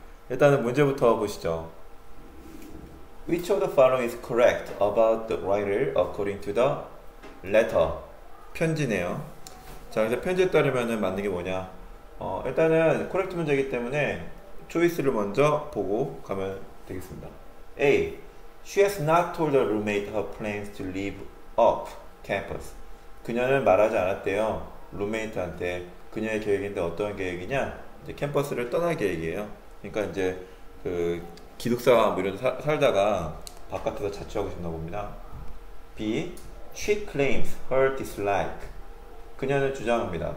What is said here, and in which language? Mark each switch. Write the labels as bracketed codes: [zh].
[ko] 일단은 문제부터 보시죠. [en] Which of the following is correct about the writer according to the letter? [ko] 편지네요. 자, 이제 편지에 따르면은 맞는 게 뭐냐? 일단은 코렉트 문제이기 때문에 초이스를 먼저 보고 가면 되겠습니다. [en] A. She has not told her roommate her plans to leave off campus. [ko] 그녀는 말하지 않았대요. 룸메이트한테 그녀의 계획인데 어떤 계획이냐? 이제 캠퍼스를 떠날 계획이에요. 그러니까 이제 그 기숙사 뭐 이런 데 살다가 바깥에서 자취하고 싶나 봅니다. [en] B. She claims her dislike. [ko] 그녀는 주장합니다.